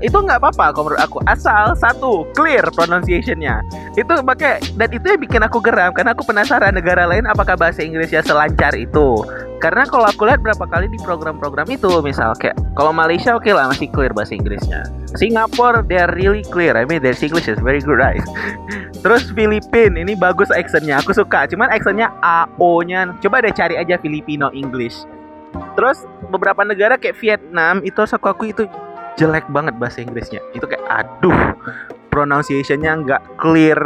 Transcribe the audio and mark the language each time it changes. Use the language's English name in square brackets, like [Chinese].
[Indonesian] Itu nggak apa-apa kalau menurut aku. Asal, satu, clear pronunciation-nya. Itu pakai, dan itu yang bikin aku geram, karena aku penasaran negara lain apakah bahasa Inggrisnya selancar itu. Karena kalau aku lihat berapa kali di program-program itu, misal kayak, kalau Malaysia oke lah, masih clear bahasa Inggrisnya. [English] Singapura, they're really clear. I mean, their English is very good, right? [Indonesian] Terus Filipina, ini bagus accent-nya. Aku suka, cuman accent-nya AO-nya. Coba deh cari aja Filipino English. Terus beberapa negara kayak Vietnam, itu aku akui itu jelek banget bahasa Inggrisnya. Itu kayak aduh, pronunciation-nya nggak clear.